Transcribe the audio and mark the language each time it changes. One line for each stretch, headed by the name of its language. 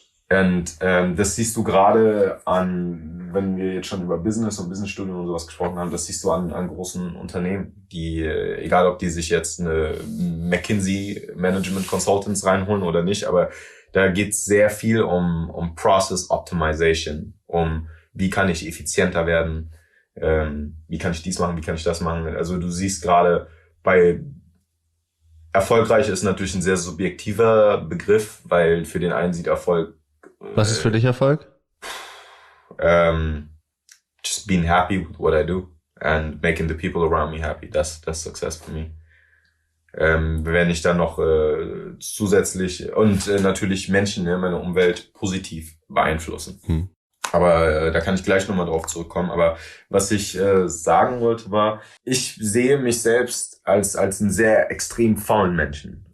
German: Und das siehst du gerade an, wenn wir jetzt schon über Business und Businessstudien und sowas gesprochen haben, das siehst du an großen Unternehmen, die, egal ob die sich jetzt eine McKinsey Management Consultants reinholen oder nicht, aber da geht's sehr viel um Process Optimization, um wie kann ich effizienter werden, wie kann ich dies machen, wie kann ich das machen. Also du siehst gerade bei erfolgreich ist natürlich ein sehr subjektiver Begriff, weil für den einen sieht Erfolg. Was ist für dich Erfolg?
English: Just being happy with what I do and making the people around me happy. That's success for me.
German: Wenn ich dann noch zusätzlich und natürlich Menschen, ja, meine Umwelt positiv beeinflussen. Aber da kann ich gleich nochmal drauf zurückkommen. Aber was ich sagen wollte war, ich sehe mich selbst als einen sehr extrem faulen Menschen.